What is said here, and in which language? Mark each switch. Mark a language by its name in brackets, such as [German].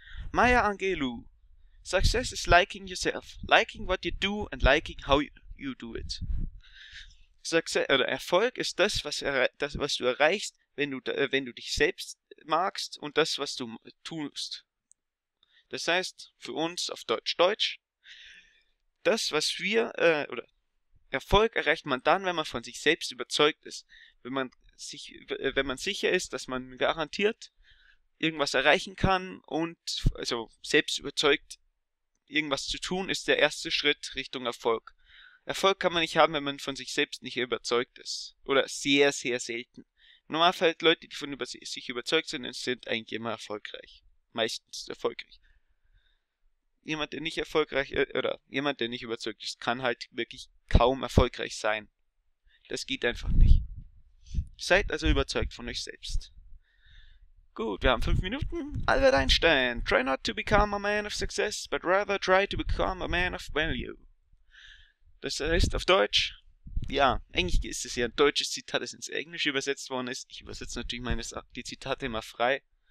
[English] Maya Angelou: Success is liking yourself, liking what you do and liking how you do it. [German] Erfolg ist was du erreichst, wenn du dich selbst magst und das, was du tust. Das heißt, für uns auf Deutsch, das, was Erfolg erreicht man dann, wenn man von sich selbst überzeugt ist. Wenn man sicher ist, dass man garantiert irgendwas erreichen kann und also selbst überzeugt, irgendwas zu tun, ist der erste Schritt Richtung Erfolg. Erfolg kann man nicht haben, wenn man von sich selbst nicht überzeugt ist. Oder sehr, sehr selten. Normalerweise Leute, die von sich überzeugt sind, sind eigentlich immer erfolgreich. Meistens erfolgreich. jemand, der nicht erfolgreich oder jemand, der nicht überzeugt ist, kann halt wirklich kaum erfolgreich sein. Das geht einfach nicht. Seid also überzeugt von euch selbst. Gut, wir haben 5 Minuten. Albert Einstein. [English] Try not to become a man of success, but rather try to become a man of value. [German] Das heißt auf Deutsch. Ja, eigentlich ist es ja ein deutsches Zitat, das ins Englische übersetzt worden ist. Ich übersetze natürlich meines die Zitate immer frei.